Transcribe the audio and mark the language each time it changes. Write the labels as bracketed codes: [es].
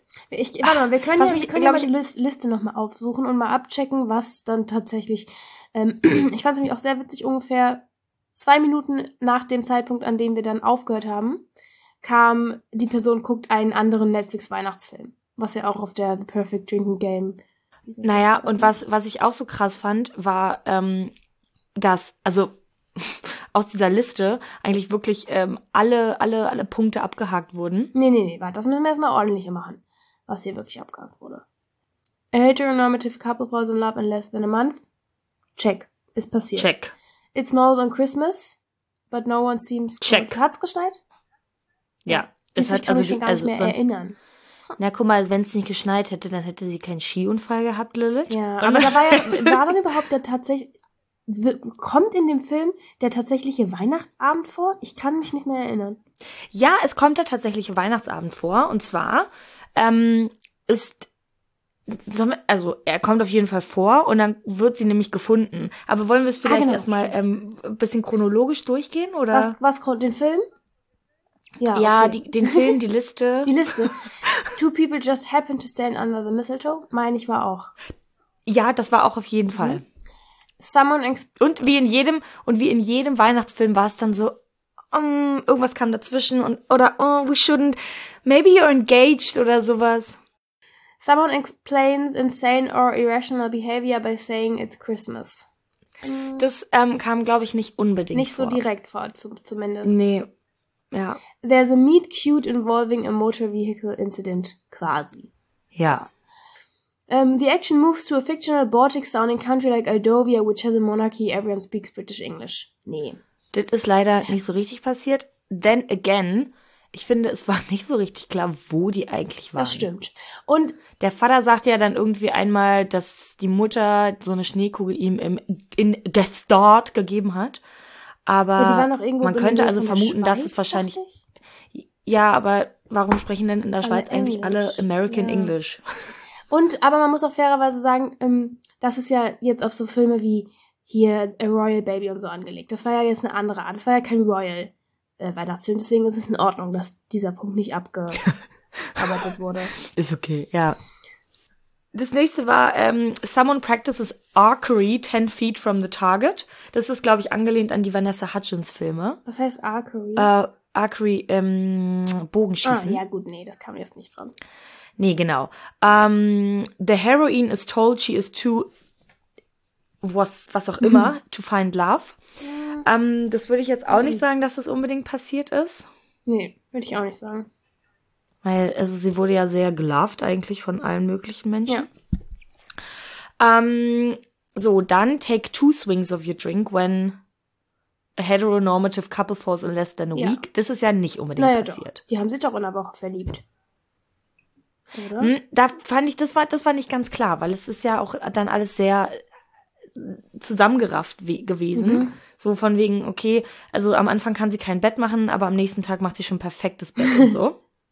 [de] Warte mal, wir können die Liste nochmal aufsuchen und mal abchecken, was dann tatsächlich, ich fand es nämlich auch sehr witzig, ungefähr 2 Minuten nach dem Zeitpunkt, an dem wir dann aufgehört haben, kam die Person, guckt einen anderen Netflix-Weihnachtsfilm, was ja auch auf der The Perfect Drinking Game. Naja, und was ich auch so krass fand, war, dass, also aus dieser Liste eigentlich wirklich alle Punkte abgehakt wurden. Nee, warte, das müssen wir erstmal ordentlicher machen, was hier wirklich abgehakt wurde. [en] A heteronormative couple falls in love in less than a month. [de] Check. Ist passiert. Check. [en] It snows on Christmas, but no one seems to... Check. [de] Hat's geschneit? Ja. Es hat, ich kann mich schon gar nicht mehr erinnern. Na, guck mal, wenn es nicht geschneit hätte, dann hätte sie keinen Skiunfall gehabt, Lilith. Ja, aber da war dann überhaupt der tatsächlich... Kommt in dem Film der tatsächliche Weihnachtsabend vor? Ich kann mich nicht mehr erinnern. Ja, es kommt der tatsächliche Weihnachtsabend vor. Und zwar er kommt auf jeden Fall vor und dann wird sie nämlich gefunden. Aber wollen wir es vielleicht erstmal ein bisschen chronologisch durchgehen? Oder? Was, den Film? Ja, okay. Den Film, die Liste. Die Liste. [en] Two people just happen to stand under the mistletoe. [de] Meine ich war auch. Ja, das war auch auf jeden Fall. [en] Someone [de] Und wie in jedem Weihnachtsfilm war es dann so, irgendwas kam dazwischen und oder [en] we shouldn't, maybe you're engaged [de] oder sowas. [en] Someone explains insane or irrational behavior by saying it's Christmas. [de] Das kam, glaube ich, nicht unbedingt nicht vor. So direkt vor, zumindest. Nee, ja. [en] There's a meet cute involving a motor vehicle incident, quasi. [de] Ja. [en] The action moves to a fictional Baltic-sounding country like Aldovia, which has a monarchy, everyone speaks British English. [de] Nee. Das ist leider nicht so richtig passiert. [en] Then again, [de] Ich finde, es war nicht so richtig klar, wo die eigentlich waren. Das stimmt. Und der Vater sagt ja dann irgendwie einmal, dass die Mutter so eine Schneekugel ihm in Gestort gegeben hat. Aber die waren auch irgendwo, man könnte also vermuten, dass es wahrscheinlich... Ja, aber warum sprechen denn in der Schweiz eigentlich alle American English? Und, aber man muss auch fairerweise sagen, das ist ja jetzt auf so Filme wie hier A Royal Baby und so angelegt. Das war ja jetzt eine andere Art. Das war ja kein Royal Weihnachtsfilm. Deswegen ist es in Ordnung, dass dieser Punkt nicht abgearbeitet wurde. Ist okay, ja. Das nächste war [en] Someone Practices Archery 10 Feet from the Target. [de] Das ist, glaube ich, angelehnt an die Vanessa Hudgens Filme. Was heißt Archery? Archery, Bogenschießen. Ah, ja gut, nee, das kam jetzt nicht dran. Nee, genau. [en] The heroine is told she is too, [de] was auch immer, [en] to find love. [de] Ja. Das würde ich jetzt auch nicht sagen, dass das unbedingt passiert ist. Nee, würde ich auch nicht sagen. Weil, also sie wurde ja sehr geloved eigentlich von allen möglichen Menschen. Ja. So, dann [en] take two swings of your drink when a heteronormative couple falls in less than a week. [de] Das ist ja nicht unbedingt passiert. Doch. Die haben sich doch in der Woche verliebt. Oder? Da fand ich, das war nicht ganz klar, weil es ist ja auch dann alles sehr zusammengerafft gewesen. Mhm. So von wegen, okay, also am Anfang kann sie kein Bett machen, aber am nächsten Tag macht sie schon perfektes Bett und so.